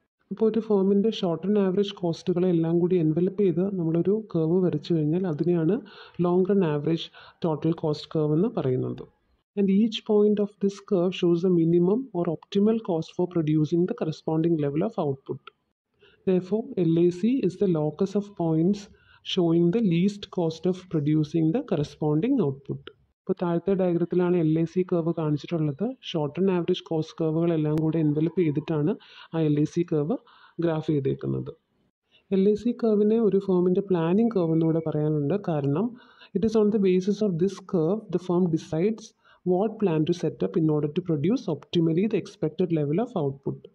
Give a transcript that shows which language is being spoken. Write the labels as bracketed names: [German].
[Malayalam] അപ്പോൾ ഒരു ഫേമിൻ്റെ short and average കോസ്റ്റുകളെ എല്ലാം കൂടി എൻവലപ്പ് ചെയ്ത് നമ്മളൊരു കർവ് വരച്ചു കഴിഞ്ഞാൽ അതിനെയാണ് long run average total cost curve എന്ന് പറയുന്നത്. [English] And each point of this curve shows a minimum or optimal cost for producing the corresponding level of output. Therefore, LAC is the locus of points showing the least cost of producing the corresponding output. [Malayalam] ഇപ്പോൾ താഴത്തെ ഡയഗ്രത്തിലാണ് LAC curve കാണിച്ചിട്ടുള്ളത്. Short and average cost കർവുകളെല്ലാം കൂടി envelope ചെയ്തിട്ടാണ് ആ LAC curve graph ചെയ്തേക്കുന്നത്. LAC കർവിനെ ഒരു ഫേമിൻ്റെ planning curve എന്നുകൂടെ പറയാനുണ്ട്. [English] കാരണം it is on the basis of this curve the firm decides what plan to set up in order to produce optimally the expected level of output.